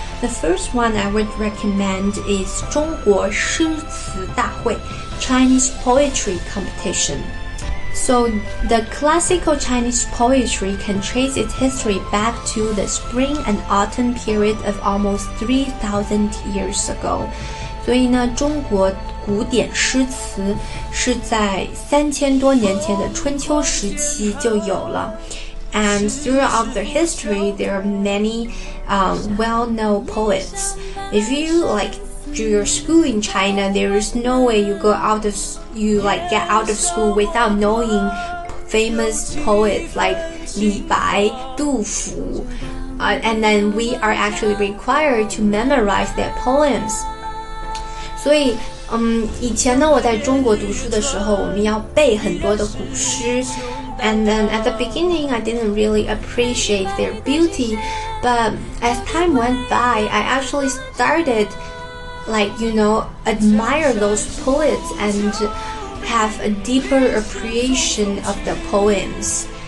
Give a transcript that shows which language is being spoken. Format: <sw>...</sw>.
<en>The first one I would recommend is 中国诗词大会。 Chinese poetry competition. So the classical Chinese poetry can trace its history back to the spring and autumn period of almost 3,000 years ago.</en> <zh>所以呢，中国古典诗词是在三千多年前的春秋时期就有了。</zh> <en>And throughout their history, there are many well-known poets. If you like. Through your school in China, there is no way you get out of school without knowing famous poets like Li Bai, Du Fu, and then we are actually required to memorize their poems.</en> <zh>所以，以前呢，我在中国读书的时候，我们要背很多的古诗。</zh> <en>And then at the beginning, I didn't really appreciate their beauty, but as time went by, I actually started. Like, you know, admire those poets and have a deeper appreciation of the poems.</en>